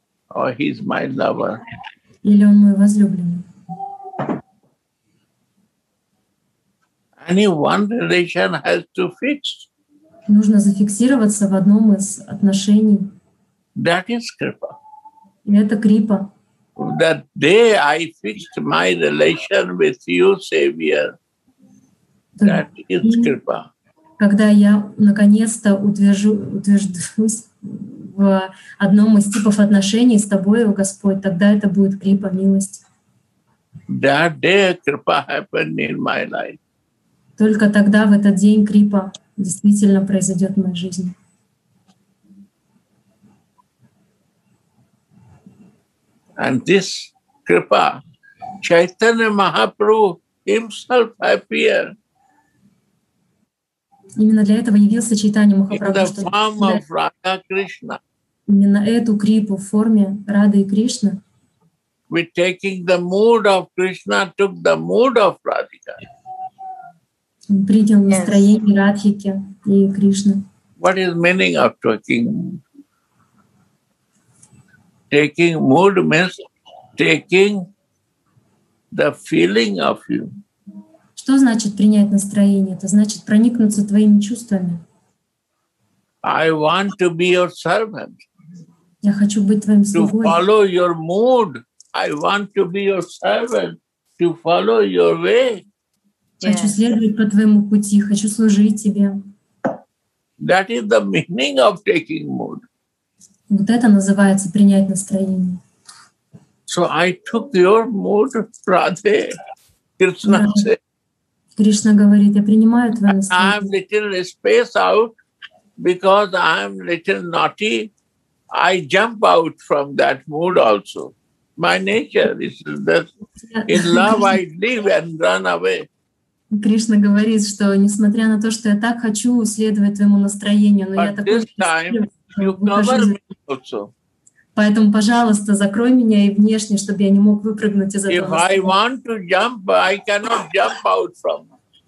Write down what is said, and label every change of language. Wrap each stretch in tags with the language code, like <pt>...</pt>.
<en>Or he's my lover.</en> <ru>Или он мой возлюбленный.</ru> <en>Any one relation has to fix.</en> <ru>Нужно зафиксироваться в одном из отношений.</ru> <en>That is Kripa.</en> <ru>И это Крипа.</ru> <en>That day I fixed my relation with you, Savior. That is Kripa.</en> <ru>Когда я наконец-то утверждусь в одном из типов отношений с тобой, о Господь, тогда это будет Крипа, милость.</ru> <en>That day Kripa happened in my life.</en> <ru>Только тогда, в этот день, Крипа действительно произойдет в моей жизни.</ru> <en>And this Kripa, Chaitanya Mahaprabhu himself appeared.</en> <ru>Именно для этого явился Чайтанья Махапрабху.</ru> <en>In the form of Radha Krishna.</en> <ru>Именно эту Крипу в форме Рады и Кришны.</ru> <en>With taking the mood of Krishna, took the mood of Radhika.</en> <ru>Он принял настроение Радхики и Кришны.</ru> <en>What is meaning of taking? Taking mood means taking the feeling of you.</en> <ru>Что значит принять настроение? Это значит проникнуться твоими чувствами.</ru> <en>I want to be your servant.</en> <ru>Я хочу быть твоим слугой.</ru> <en>To follow your mood. I want to be your servant. To follow your way.</en> <ru>Хочу следовать по твоему пути, хочу служить тебе.</ru> <en>That is the meaning of taking mood.</en> <ru>Вот это называется принять настроение.</ru> <en>So I took your mood, Radhe. Krishna said.</en> <ru>Кришна говорит, я принимаю твое настроение.</ru> <en>I'm little space out because I'm little naughty. I jump out from that mood also. My nature is that in love I live and run away.</en> <ru>Кришна говорит, что несмотря на то, что я так хочу следовать твоему настроению, но</ru> <en>but</en> <ru>я такой счастливый, что поэтому, пожалуйста, закрой меня и внешне, чтобы я не мог выпрыгнуть из этого настроения.</ru>